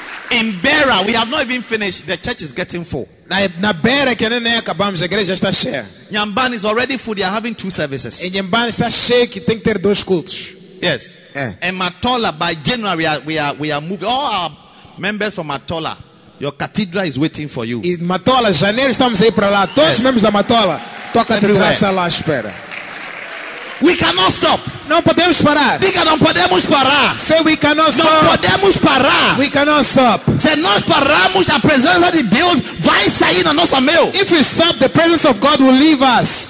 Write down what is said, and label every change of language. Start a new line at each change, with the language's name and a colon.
English: In Beira, we have not even finished. The church is getting full.
Portuguese: Na Beira que nem acabamos, a igreja está cheia.
English: Nyamban is already full. They are having two services.
Portuguese: E Nyamban está cheio que tem que ter dois cultos.
English: Yes.
Portuguese: É.
English: And Matola, by January, we are moving. All our members from Matola, your cathedral is waiting for you.
Portuguese: E Matola, janeiro estamos aí para lá. Todos os membros da Matola, tua cathedral está lá à espera.
English: We cannot stop.
Portuguese: Não podemos parar. Diga, não podemos parar.
English: Say we cannot stop.
Portuguese: Não podemos parar.
English: We cannot stop.
Portuguese: Se nós pararmos, a presença de Deus vai sair na nossa meio.
English: If we stop, the presence of God will leave us.